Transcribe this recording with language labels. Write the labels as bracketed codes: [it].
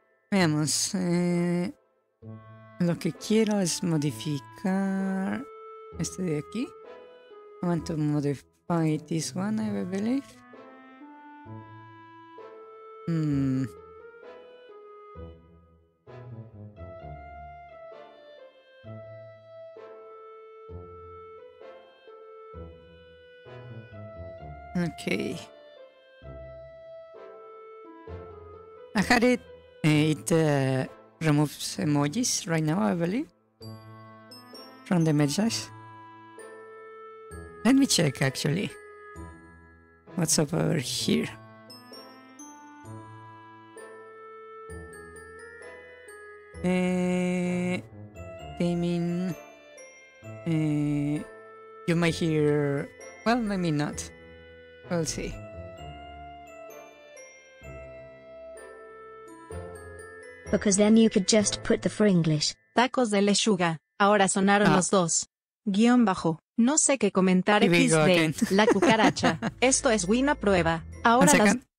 [es] Veamos, lo que quiero es modificar este de aquí. [en] I want to modify this one, I believe. Okay. I had it. It removes emojis right now, I believe, from the messages. Let me check actually. What's up over here? Gaming, you might hear, well, maybe not, we'll see. Because then you could just put the for English. [es] Tacos de lechuga, ahora sonaron los dos. Guión bajo, no sé qué comentar XD, la cucaracha, esto es Wina prueba, ahora las...